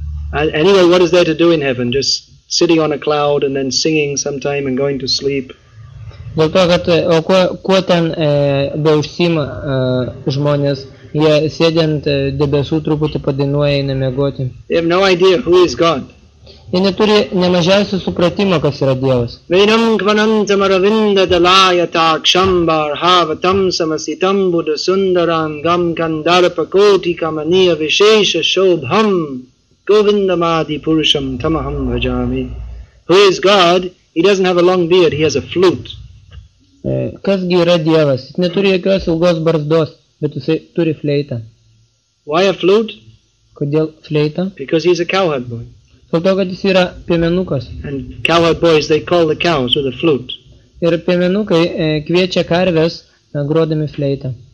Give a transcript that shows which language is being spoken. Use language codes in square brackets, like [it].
[en] Because anyway, what is there to do in heaven? Just sitting on a cloud and then singing sometime and going to sleep. [lt] Dėl to, kad kuo ten beužsima žmonės, jie sėdint debesų truputį padainuoja į namiegoti. [en] They have no idea who is God. [lt] Jie neturi nemažiausio supratimo, kas yra Dievas. [sa] Vainam kvanantam aravinda dalayata kshambar havatam samasitam buddha sundaram gam kandarpa koti kamaniya vishesha shobham. Govindamadi Purusham Tamaham Vajami. [en] Who is God? He doesn't have a long beard, he has a flute. [lt] Kas gi yra Dievas? Jis neturi jokios ilgos barzdos, bet jis turi fleitą. [en] Why a flute? [lt] Kodėl fleita? [en] Because he's a cowherd boy. [lt] Dėl to, kad jis yra piemenukas. [en] And cowherd boys, they call the cows with a flute. [lt] Ir piemenukai kviečia karves grodami fleitą.